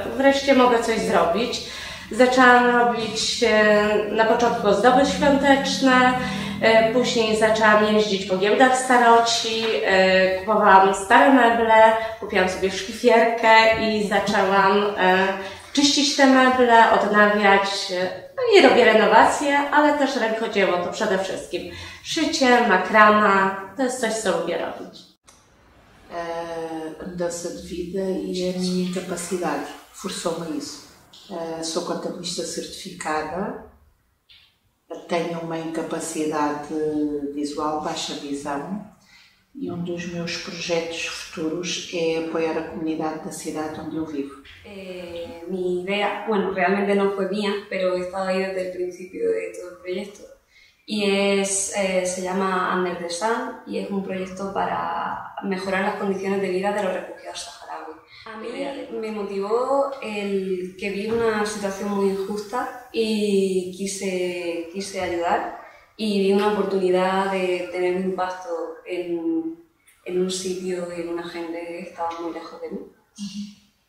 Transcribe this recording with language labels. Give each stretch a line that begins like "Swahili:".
Polish: Wreszcie mogę coś zrobić. Zaczęłam robić na początku ozdoby świąteczne, później zaczęłam jeździć po giełdach staroci, kupowałam stare meble, kupiłam sobie szlifierkę i zaczęłam czyścić te meble, odnawiać, no i robię renowacje, ale też rękodzieło to przede wszystkim. Szycie, makrama, to jest coś, co lubię robić. Dosyć widzę i mi to pasywali, forsomy jest.
Portuguese: Sou contabilista certificada, tenho uma incapacidade visual, baixa visão, e dos meus projetos futuros é apoiar a comunidade da cidade onde eu vivo.
Spanish: Mi idea, bueno, realmente no fue mía, pero he estado ahí desde el principio de todo el proyecto, y se llama Under the Sun, y es un proyecto para mejorar las condiciones de vida de los refugiados saharauis. A mí me motivó el que vi una situación muy injusta y quise ayudar y vi una oportunidad de tener un impacto en un sitio, en una gente que estaba muy lejos de mí. Uh-huh.